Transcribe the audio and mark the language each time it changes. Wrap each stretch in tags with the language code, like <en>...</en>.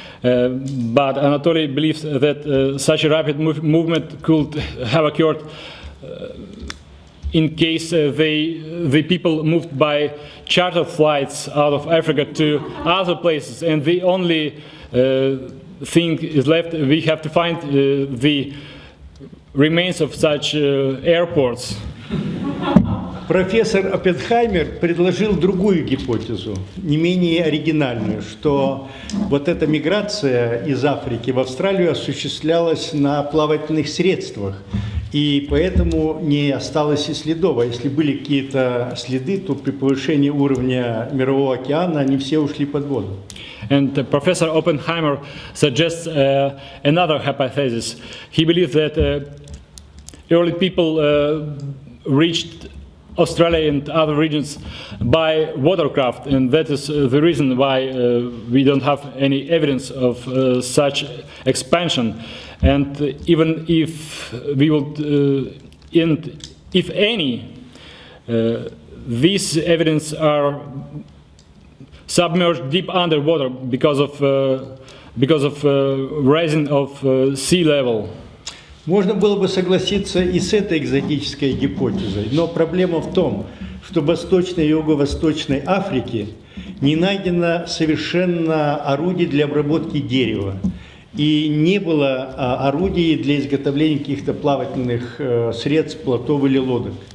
<en>But Anatoly believes that such a rapid movement could have occurred in case the people moved by charter flights out of Africa to other places, and the only thing is left, we have to find the remains of such airports.</en> <ru>Профессор Оппенхаймер предложил другую гипотезу, не менее оригинальную, что вот эта миграция из Африки в Австралию осуществлялась на плавательных средствах, И поэтому не осталось и следов. А если были какие-то следы, то при повышении уровня Мирового океана они все ушли под воду.</ru> <en>And Professor Oppenheimer suggests another hypothesis. He believes that early people reached Australia and other regions by watercraft, and that is the reason why we don't have any evidence of such expansion. And even if we would, and if any, these evidence are submerged deep underwater because of rising of sea level.</en> <ru>Можно было бы согласиться и с этой экзотической гипотезой, но проблема в том, что в восточной и юго-восточной Африке не найдено совершенно орудий для обработки дерева, и не было орудий для изготовления каких-то плавательных средств, плотов или лодок.</ru>